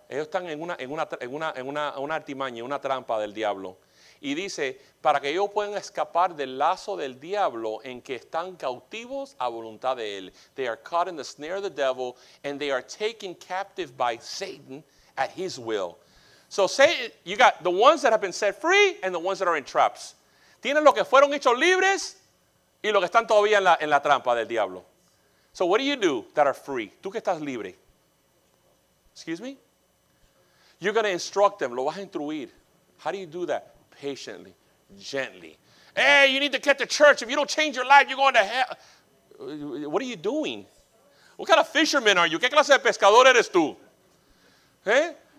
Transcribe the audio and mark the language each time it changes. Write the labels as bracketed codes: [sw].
[es] Ellos están en una artimaña, una trampa del diablo. Y dice, para que ellos puedan escapar del lazo del diablo en que están cautivos a voluntad de él. [en] They are caught in the snare of the devil, and they are taken captive by Satan at his will. So say you got the ones that have been set free and the ones that are in traps. [es] Tienen los que fueron hechos libres y los que están todavía en la trampa del diablo. [en] So what do you do that are free? [es] Tú que estás libre. [en] Excuse me? You're going to instruct them. [es] Lo vas a instruir. [en] How do you do that? Patiently. Gently. Hey, you need to get to church. If you don't change your life, you're going to hell. What are you doing? What kind of fisherman are you? [es] ¿Qué clase de pescador eres tú? [en] Hey?